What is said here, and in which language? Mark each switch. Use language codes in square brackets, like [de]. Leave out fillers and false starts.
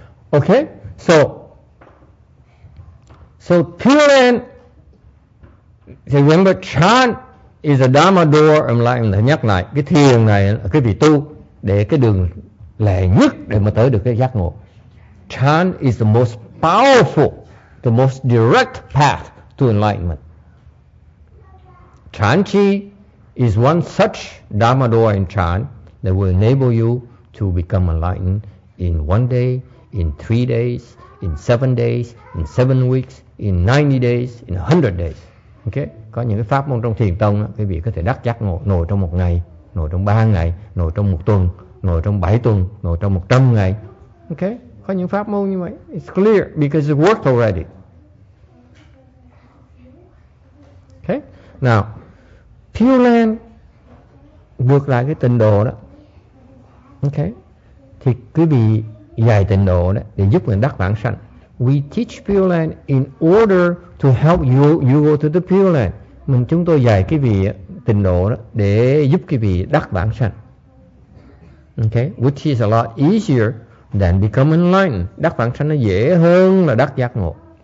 [en] Okay, so pure and remember chan is a Dharma door. [vi] I'm like nhắc lại cái thiền này, cái vị tu để cái đường lệ nhất để mà tới được cái giác ngộ. [en] Chan is the most powerful, the most direct path to enlightenment. Chan chi is one such Dharma door in chan that will enable you to become enlightened in 1 day, in 3 days, in 7 days, in 7 weeks, in 90 days, in 100 days. Okay? [vi] Có những cái pháp môn trong thiền tông đó, quý vị có thể đắc giác ngộ nổi trong 1 ngày, nổi trong 3 ngày, nổi trong 1 tuần, nổi trong 7 tuần, nổi trong 100 ngày. Okay? Có những pháp môn như vậy. [en] It's clear because it worked already. [vi] Okay? Now, Pure Land vượt lại cái tịnh độ đó. Okay. Thì quý vị dạy tịnh độ đó để giúp mình đắc vãng sanh. [en] We teach Pure Land in order to help you go to the Pure Land. [vi] Mình chúng tôi dạy cái vị tịnh độ đó để giúp quý vị đắc vãng sanh. [en] Okay, which is a lot easier than become enlightened. [vi] Đắc vãng sanh nó dễ hơn là đắc giác ngộ.